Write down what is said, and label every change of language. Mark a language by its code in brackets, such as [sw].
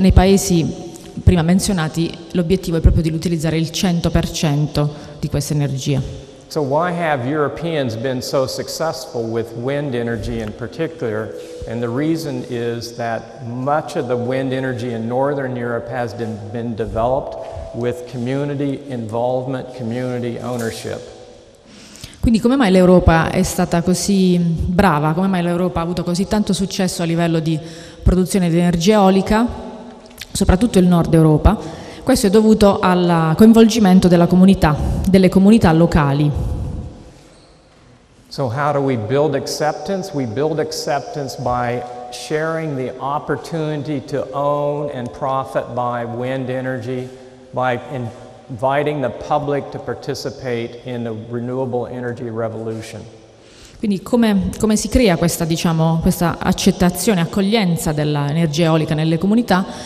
[it] Nei paesi prima menzionati l'obiettivo è proprio di utilizzare il 100% di questa energia. [en] So why have Europeans been so successful with wind energy in particular? And the reason is that much of the wind energy in Northern Europe has been developed with community involvement, community ownership. [it] Quindi come mai l'Europa è stata così brava? Come mai l'Europa ha avuto così tanto successo a livello di produzione di energia eolica, soprattutto il Nord Europa? Questo è dovuto al coinvolgimento della comunità, delle comunità locali. [en] So how do we build acceptance? We build acceptance by sharing the opportunity to own and profit by wind energy, by inviting the public to participate in the renewable energy revolution. [it] Quindi come si crea questa, diciamo, questa accettazione, accoglienza dell'energia eolica nelle comunità?